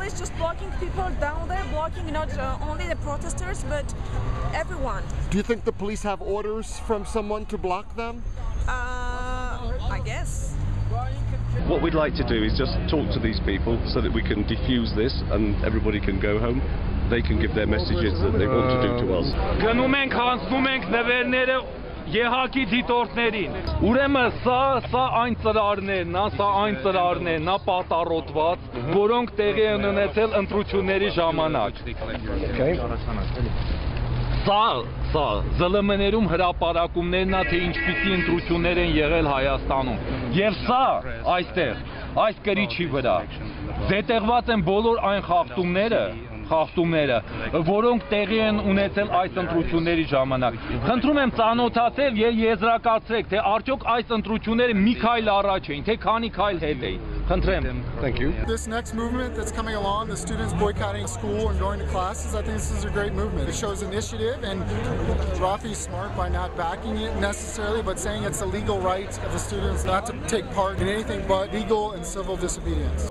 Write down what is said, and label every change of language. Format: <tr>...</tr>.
<en>It's the police just blocking people down there, blocking not only the protesters, but everyone. Do you think the police have orders from someone to block them? I guess. What we'd like to do is just talk to these people so that we can defuse this and everybody can go home. They can give their messages that they want to do to us.</en> <hy>Գնում ենք, հանձնում ենք նվերները ԵՀԱԿ-ի դիտորդներին. Ուրեմն սա այն ծրարներն, սա այն ծրարներն, նա պատառոտված, որոնք տեղի են ունեցել ընտրությունների ժամանակ. Սա ԶԼՄ-ներում հրապարակումներն է, թե ինչպիսի ընտրություններ են եղել Հայաստանում. Եվ սա այստեղ, այս կրիչի վրա, զետեղված են բոլոր այն խախտումները, որոնք տեղի են ունեցել այս ընտրությունների ժամանակ. Խնդրում եմ ծանոթացել և եզրակացրեք, թե արդյոք այս ընտրությունները մի քայլ առաջ էին, թե քանի քայլ հետ էին.</hy> <en>Thank you. This next movement that's coming along, the students boycotting school and going to classes, I think this is a great movement. It shows initiative, and Rafi's smart by not backing it necessarily, but saying it's a legal right of the students not to take part in anything but legal and civil disobedience.</en>